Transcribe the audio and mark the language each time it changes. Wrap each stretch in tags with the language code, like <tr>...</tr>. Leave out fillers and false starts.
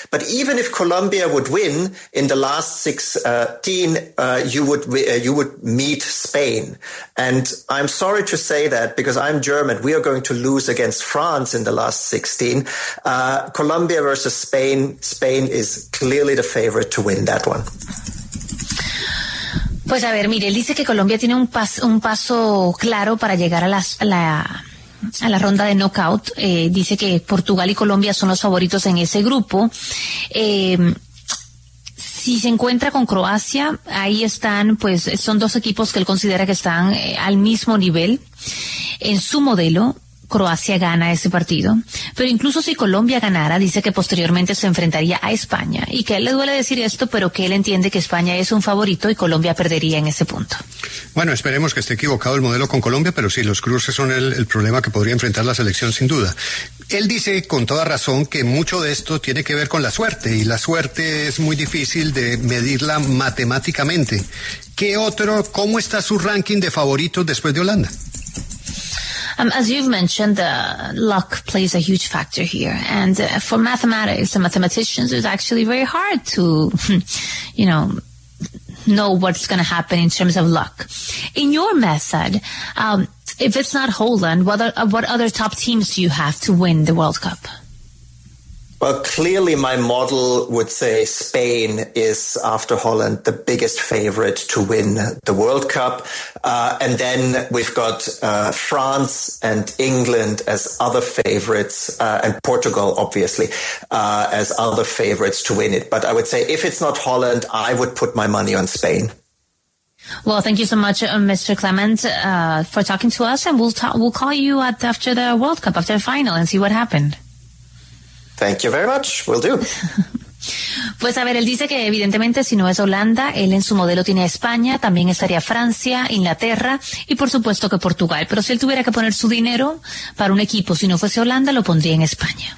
<en>But even if Colombia would win in the last 16, you would meet Spain. And I'm sorry to say that because I'm German. We are going to lose against France in the last 16. Colombia versus Spain. Spain is clearly the favorite to win that one.</en> <es>Pues a ver, mire, él dice que Colombia tiene un paso claro para llegar a la ronda de knockout. Dice que Portugal y Colombia son los favoritos en ese grupo. Si se encuentra con Croacia, ahí están, pues son dos equipos que él considera que están al mismo nivel. En su modelo, Croacia gana ese partido. Pero incluso si Colombia ganara, dice que posteriormente se enfrentaría a España. Y que a él le duele decir esto, pero que él entiende que España es un favorito y Colombia perdería en ese punto. Bueno, esperemos que esté equivocado el modelo con Colombia, pero sí, los cruces son el problema que podría enfrentar la selección, sin duda. Él dice, con toda razón, que mucho de esto tiene que ver con la suerte, y la suerte es muy difícil de medirla matemáticamente. ¿Qué otro? ¿Cómo está su ranking de favoritos después de Holanda?</es> <en>As you've mentioned, luck plays a huge factor here. And for mathematics and mathematicians, it's actually very hard to, you know what's going to happen in terms of luck. In your method, if it's not Holland, what other top teams do you have to win the World Cup? Well, clearly my model would say Spain is, after Holland, the biggest favorite to win the World Cup. And then we've got France and England as other favorites, and Portugal, obviously, as other favorites to win it. But I would say if it's not Holland, I would put my money on Spain. Well, thank you so much, Mr. Clement, for talking to us. And we'll call you after the World Cup, after the final, and see what happened. Thank you very much. Will do.</en> <es>Pues a ver, él dice que evidentemente si no es Holanda, él en su modelo tiene a España, también estaría Francia, Inglaterra y por supuesto que Portugal. Pero si él tuviera que poner su dinero para un equipo, si no fuese Holanda, lo pondría en España.</es>